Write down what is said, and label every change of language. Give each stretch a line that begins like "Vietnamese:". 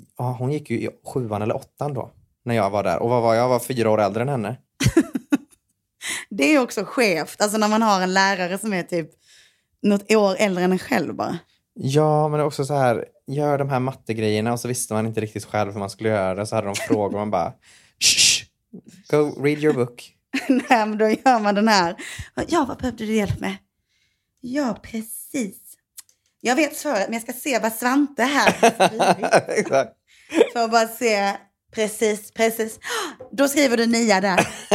Swedish: Ja, hon gick ju i 7:an eller 8:an då. När jag var där. Och vad var jag? Jag var 4 år äldre än henne. Det är ju också skevt. Alltså när man har en lärare som är typ något år äldre än en själv bara. Ja, men det är också så här. Gör de här mattegrejerna och så visste man inte riktigt själv hur man skulle göra det. Så hade de frågor. Man bara,
English: shh, go read your book.
Swedish: Nej, men då gör man den här. Ja, vad behövde du hjälp med? Ja, precis. Jag vet svaret, men jag ska se vad Svante här exakt. För att bara se. Precis, precis. Då skriver du 9 där.